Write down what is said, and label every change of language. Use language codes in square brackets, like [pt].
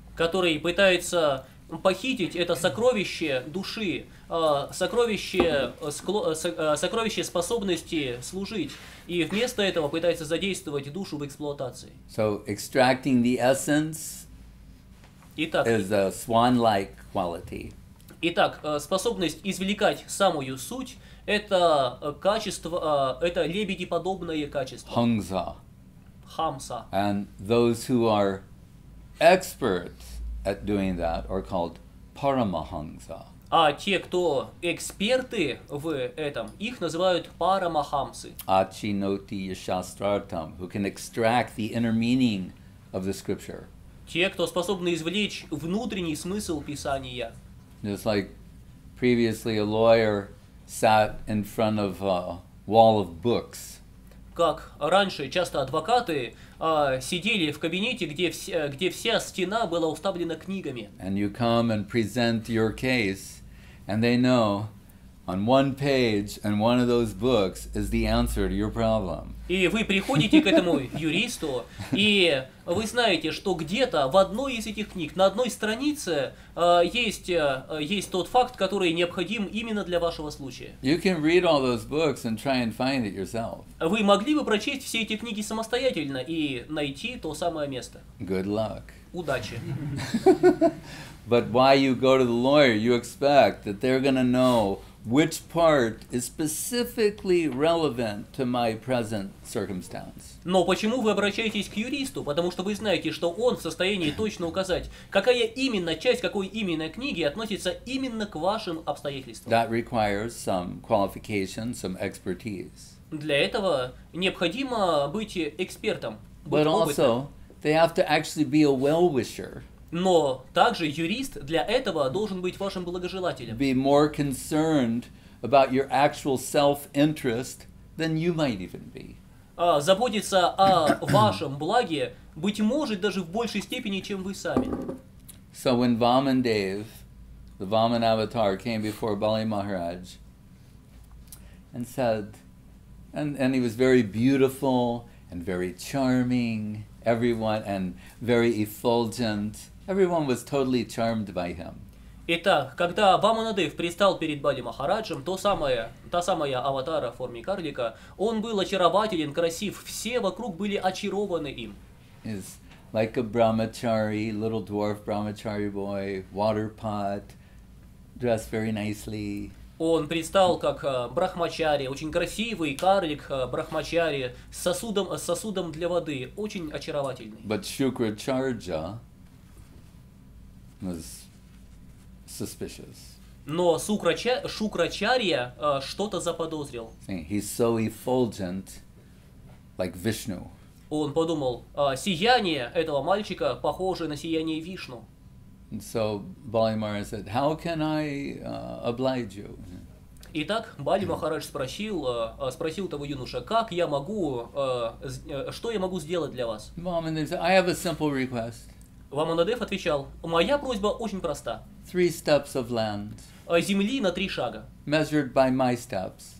[ru] Который пытается похитить это сокровище души, сокровище способности служить, и вместо этого пытается задействовать душу в эксплуатации. [en] So extracting the essence is a swan-like quality. [ru] Итак, способность извлекать самую суть. Это качество, это лебедеподобное качество. [sa] Хамса. Хамса. [en] And those who are experts at doing that are called парамахамса. [ru] А те, кто эксперты в этом, их называют парамахамсы. [sa] Ачиноти яшастратам, [en] who can extract the inner meaning of the scripture. [ru] Те, кто способны извлечь внутренний смысл писания. [en] Just like previously a lawyer sat in front of a wall of books. [ru] Как раньше часто адвокаты сидели в кабинете, где вся стена была уставлена книгами. [en] And you come and present your case, and they know on one page and one of those books is the answer to your problem. [ru] И вы приходите к этому юристу, и вы знаете, что где-то в одной из этих книг, на одной странице, есть тот факт, который необходим именно для вашего случая. [en] You can read all those books and try and find it yourself. [ru] Вы могли бы прочесть все эти книги самостоятельно и найти то самое место. [en] Good luck. [ru] Удачи. [en] But why you go to the lawyer, you expect that they're gonna know which part is specifically relevant to my present circumstance. [ru] Но почему вы обращаетесь к юристу? Потому что вы знаете, что он в состоянии точно указать, какая именно часть какой именно книги относится именно к вашим обстоятельствам. [en] That requires some qualification, some expertise. [ru] Для этого необходимо быть экспертом. [en] But also, they have to actually be a well-wisher. [ru] Но также юрист для этого должен быть вашим благожелателем. [en] Be more concerned about your actual self-interest than you might even be. [ru] Заботиться о вашем благе, быть может, даже в большей степени, чем вы сами. [en] So when Vamandev, the Vaman avatar, came before Bali Maharaj and said, and he was very beautiful and very charming, everyone, and very effulgent. Everyone was totally charmed by him. [ru] Итак, когда Ваманадев предстал перед Бали Махараджем, та самая аватара в форме карлика, он был очарователен, красив, все вокруг были очарованы им. [en] He's like a brahmachari, little dwarf brahmachari boy, water pot, dressed very nicely. [ru] Он предстал как брахмачари, очень красивый карлик брахмачари с сосудом для воды, очень очаровательный. [en] But Shukracharya was suspicious. [ru] Но Шукрачарья что-то заподозрил. [en] He's so effulgent, like Vishnu. [ru] Он подумал, сияние этого мальчика похоже на сияние Вишну. [en] And so Bali Maharaj said, "How can I oblige you?" [ru] Итак, Бали Махарадж спросил того юноша, как я могу, что я могу сделать для вас? [en] Vamanadev, I have a simple request. [ru] Ваманадев отвечал, моя просьба очень проста. [en] Three steps of land. [ru] Земли на три шага. [en] Measured by my steps.